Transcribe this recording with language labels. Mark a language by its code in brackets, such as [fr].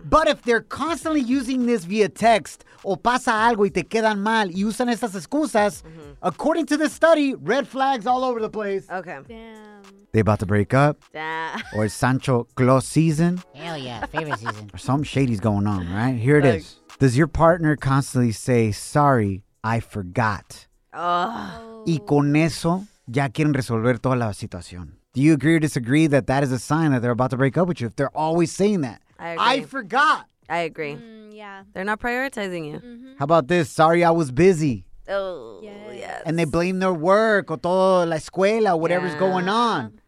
[en] But if they're constantly using this via text, [es] o pasa algo y te quedan mal, y usan estas excusas, [en] according to this study, red flags all over the place. Okay. Damn. They about to break up. Damn. Or is Sancho Claus season? Hell yeah, favorite season. Or something shady's going on, right? Here it is. Does your partner constantly say, sorry, I forgot? Oh. [es] Y con eso ya quieren resolver toda la situación. [en] Do you agree or disagree that that is a sign that they're about to break up with you if they're always saying that? I agree. I forgot. I agree. Yeah. They're not prioritizing you. Mm-hmm. How about this? Sorry, I was busy. Oh, yes. And they blame their work or [es] todo la escuela, [en] whatever's going on.